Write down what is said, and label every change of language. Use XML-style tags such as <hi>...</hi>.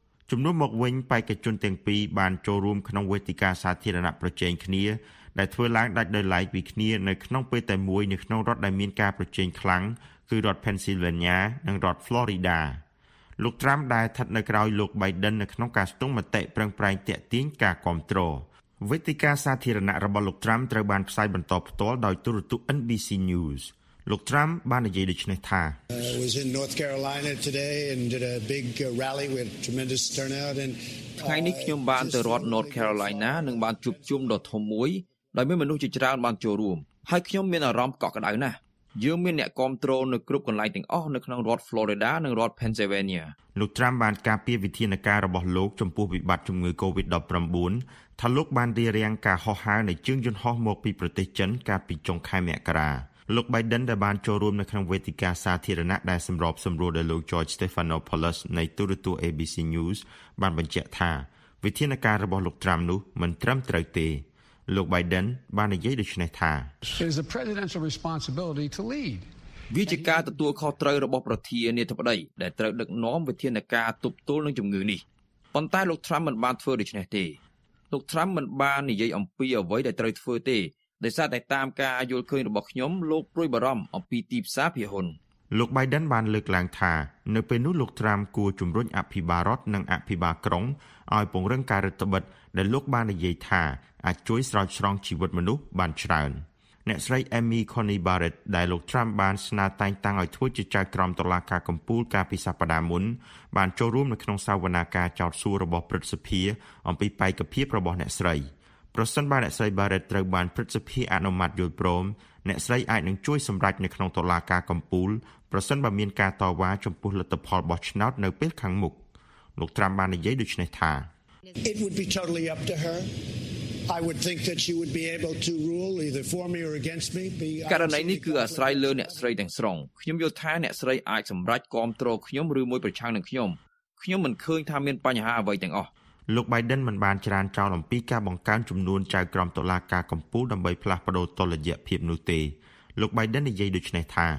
<km>ជំនួសមកវិញបេក្ខជនទាំងពីរបានចូលរួមក្នុងវេទិកាសាធារណៈប្រជែងគ្នាដែលធ្វើឡើងដាច់ដោយឡែកពីគ្នានៅក្នុងពេលតែមួយនៅក្នុងរដ្ឋដែលមានការប្រជែងខ្លាំងគឺរដ្ឋ Pennsylvania និងរដ្ឋ Florida លោក Trump ដែលស្ថិតនៅក្រោយលោក Biden នៅក្នុងការស្ទង់មតិប្រឹងប្រែងទាក់ទាញការគាំទ្រវេទិកាសាធារណៈរបស់លោក Trump ត្រូវបានផ្សាយបន្តផ្ទាល់ដោយទូរទស្សន៍ NBC News លោក Trump បាននិយាយដូចនេះថា</km> <en>I was in North Carolina today and did a big rally with tremendous turnout and</en> <km>ថ្ងៃនេះខ្ញុំបានទៅរដ្ឋ North Carolina និងបានជួបជុំដ៏ធំមួយដោយមានមនុស្សជាច្រើនបានចូលរួមហើយខ្ញុំមានអារម្មណ៍កក់ក្តៅណាស់យើងមានអ្នកគាំទ្រនៅគ្រប់កន្លែងទាំងអស់នៅក្នុងរដ្ឋ Florida និងរដ្ឋ Pennsylvania លោក Trump បានការពារវិធានការរបស់លោកចំពោះវិបត្តិជំងឺ COVID-19 ថាលោកបានរារាំងការហោះហើរនៃជើងយន្តហោះមកពីប្រទេសចិនកាលពីចុងខែមករាលោក Biden ដែលបានចូលរួមនៅក្នុងវេទិកាសាធារណៈដែលសម្របសម្រួលដោយលោក George Stephanopoulos នៃទូរទស្សន៍ ABC News បានបញ្ជាក់ថាវិធានការរបស់លោក Trump នោះមិនត្រឹមត្រូវទេលោក Biden បាននិយាយដូចនេះថា</km> <en>There is a presidential responsibility to lead</en> <km>វិជាការទទួលខុសត្រូវរបស់ប្រធានាធិបតីដែលត្រូវដឹកនាំវិធានការទប់ទល់នឹងជំងឺនេះប៉ុន្តែលោក Trump មិនបានធ្វើដូចនេះទេលោក Trump មិនបាននិយាយអំពីអ្វីដែលត្រូវធ្វើទេដោយសារតែតាមការយល់ឃើញរបស់ខ្ញុំលោកប្រួយបារម្ភអំពីទីផ្សារភាហ៊ុន លោក Biden បានលើកឡើងថានៅពេលនោះលោក Trump គួរជំរុញអភិបាលរដ្ឋនិងអភិបាលក្រុងឲ្យពង្រឹងការរដ្ឋបិទដែលលោកបាននិយាយថាអាចជួយស្រោចស្រង់ជីវិតមនុស្សបានច្រើនអ្នកស្រី Amy Coney Barrett ដែលលោក Trump បានស្នើតែងតាំងឲ្យធ្វើជាចៅក្រមតុលាការកំពូលកាលពីសប្តាហ៍មុនបានចូលរួមនៅក្នុងសវនាការចោទសួររបស់ព្រឹទ្ធសភាអំពីបេក្ខភាពរបស់អ្នកស្រី ប្រសិនបើអ្នកស្រី Barrett ត្រូវបានព្រឹទ្ធសភាអនុម័តយល់ព្រមអ្នកស្រីអាចនឹងជួយសម្រេចនៅក្នុងតុលាការកំពូលប្រសិនបើមានការតវ៉ាចំពោះលទ្ធផលបោះឆ្នោតនៅពេលខាងមុខលោក Trump បាននិយាយដូចនេះថា</km> <en>It would be totally up to herI would think that she would be able to rule either for me or against me.</en> <km>ករណីនេះគឺអាស្រ័យលើអ្នកស្រីទាំងស្រុងខ្ញុំយល់ថាអ្នកស្រីអាចសម្រេចគ្រប់គ្រងខ្ញុំឬមួយប្រឆាំងនឹងខ្ញុំខ្ញុំមិនឃើញថាមានបញ្ហាអ្វីទាំងអស់លោក Biden មិនបានច្រានចោលអំពីការបង្កើនចំនួនចៅក្រមតុលាការកំពូលដើម្បីផ្លាស់ប្តូរតុល្យភាពនោះទេលោក Biden និយាយដូចនេះថា</km>